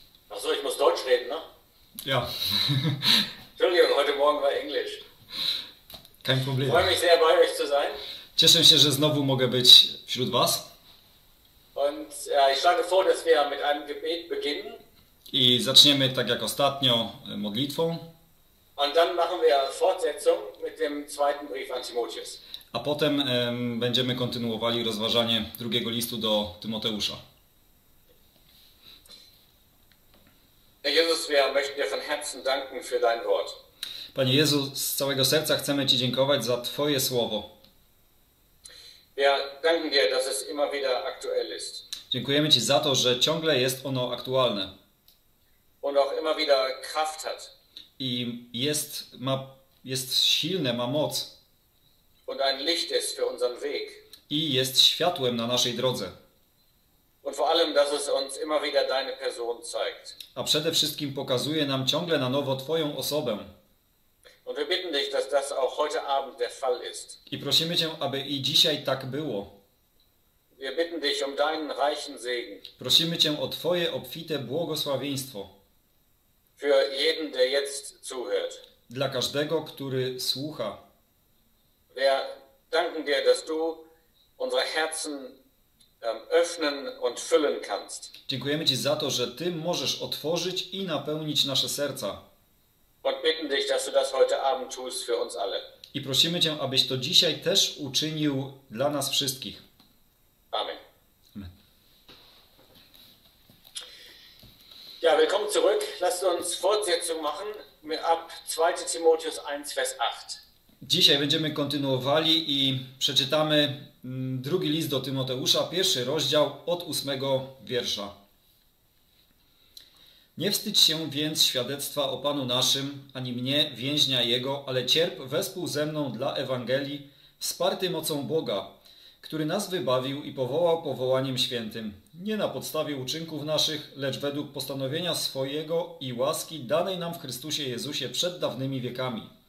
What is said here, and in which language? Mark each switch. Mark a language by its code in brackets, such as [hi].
[de] Achso, ich muss Deutsch reden, ne? Ja. Entschuldigung, heute Morgen war Englisch. Kein Problem. Freue mich sehr, bei euch zu sein. [pl] Cieszę się, że znowu mogę być wśród was. [de] Und ich schlage vor, dass wir mit einem Gebet beginnen. [pl] I zaczniemy tak jak ostatnio modlitwą. [de] Und dann machen wir Fortsetzung mit dem zweiten Brief an Timotheus. [pl] A potem będziemy kontynuowali rozważanie drugiego listu do Tymoteusza. [de] Jesus, wir möchten dir von Herzen danken für dein Wort. [pl] Panie Jezu, z całego serca chcemy Ci dziękować za Twoje Słowo. [de] Wir danken dir, dass es immer wieder aktuell ist. [pl] Dziękujemy Ci za to, że ciągle jest ono aktualne. [de] Und auch immer wieder Kraft hat. [pl] I jest, jest silne, ma moc. [de] Und ein Licht ist für unseren Weg. [pl] I jest światłem na naszej drodze. [de] Und vor allem, dass es uns immer wieder deine Person zeigt. [pl] A przede wszystkim pokazuje nam ciągle na nowo Twoją osobę. [de] Und wir bitten dich, dass das auch heute Abend der Fall ist. [pl] I prosimy Cię, aby i dzisiaj tak było. [de] Wir bitten dich um deinen reichen Segen. [pl] Prosimy Cię o Twoje obfite błogosławieństwo. [de] Für jeden, der jetzt zuhört. [pl] Dla każdego, który słucha. [de] Wir danken dir, dass du unsere Herzen öffnen und füllen kannst. [pl] Dziękujemy Ci za to, że Ty możesz otworzyć i napełnić nasze serca. [de] Und bitten dich, dass du das heute Abend tust für uns alle. [pl] I prosimy Cię, abyś to dzisiaj też uczynił dla nas wszystkich. [de] Amen. Amen. Ja, willkommen zurück. Lasst uns Fortsetzung machen ab 2. Timotheus 1, Vers 8. [pl] Dzisiaj będziemy kontynuowali i przeczytamy drugi list do Tymoteusza, pierwszy rozdział od 8 wiersza. Nie wstydź się więc świadectwa o Panu naszym, ani mnie, więźnia Jego, ale cierp wespół ze mną dla Ewangelii, wsparty mocą Boga, który nas wybawił i powołał powołaniem świętym, nie na podstawie uczynków naszych, lecz według postanowienia swojego i łaski danej nam w Chrystusie Jezusie przed dawnymi wiekami,